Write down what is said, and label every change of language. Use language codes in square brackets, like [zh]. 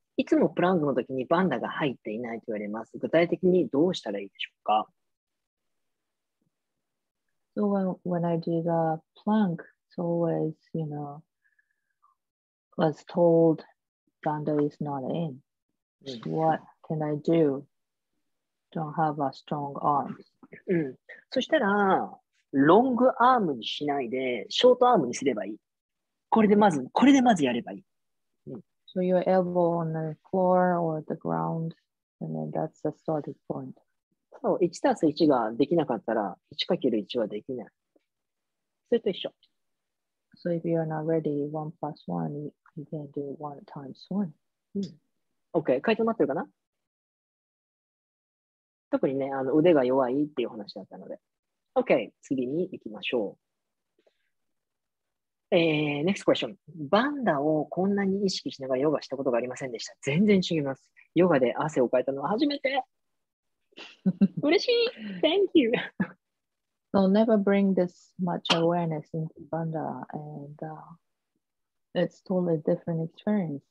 [ja] いつもプラングの時にバンダが入っていないと言われます。具体的にどうしたらいいでしょうか？ [en] So when I do the plank, it's always, you know, was told Banda is not in.、Mm-hmm. What can I do? Don't have a strong arms. [ja] そしたら、ロングアームにしないでショートアームにすればいい。これでまずやればいい。 [en] So your elbow on the floor or the ground, and then that's the starting point. [ja] そう、1たす1ができなかったら、1かける1はできない。それと一緒。 [en] So if you're not ready, 1 plus 1, you can do 1 times 1.、 [ja] うん、OK、回答待ってるかな？特にね、腕が弱いっていう話だったので。OK、次に行きましょう。 [en] next question. [ja] バンダをこんなに意識しながらヨガしたことがありませんでした。全然違います。ヨガで汗をかいたのは初めて。嬉しい。 [en] Thank you. So never bring this much awareness into Banda, and it's totally different experience.